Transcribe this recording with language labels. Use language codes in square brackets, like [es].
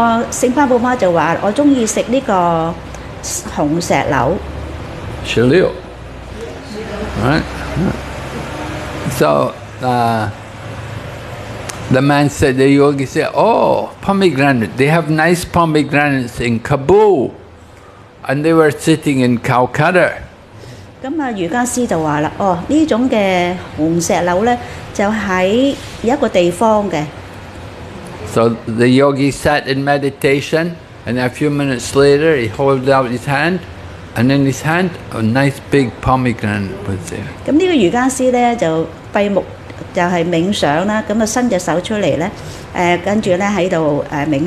[zh] 圣帕布帕就说我喜欢吃这个红石榴。 [en] Shalil. Right? So, the man said, the yogi said, oh, pomegranate. They have nice pomegranates in Kabul. And they were sitting in Calcutta. [zh] 瑜伽师就说这种红石榴就在一个地方的。 [en] So the yogi sat in meditation, and a few minutes later, he held out his hand, and in his hand, a nice big pomegranate was there.